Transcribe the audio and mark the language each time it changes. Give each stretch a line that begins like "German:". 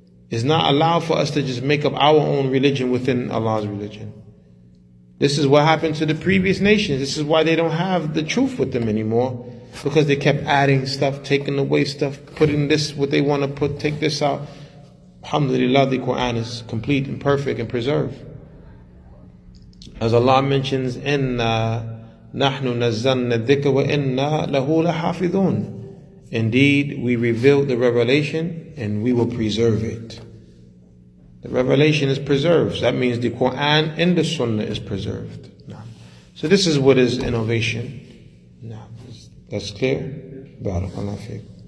English: It's not allowed for us to just make up our own religion within Allah's religion. This is what happened to the previous nations. This is why they don't have the truth with them anymore. Because they kept adding stuff, taking away stuff, putting this, what they want to put, take this out. Alhamdulillah, the Quran is complete and perfect and preserved. As Allah mentions,
Arabic: إِنَّا نَحْنُ نَزَّلْنَا الذِّكْرَ وَإِنَّا لَهُ لَحَافِظُونَ.
English: Indeed, we revealed the revelation and we will preserve it. The revelation is preserved. That means the Quran and the Sunnah is preserved. So this is what is innovation. That's clear? Barakallahu fiqh.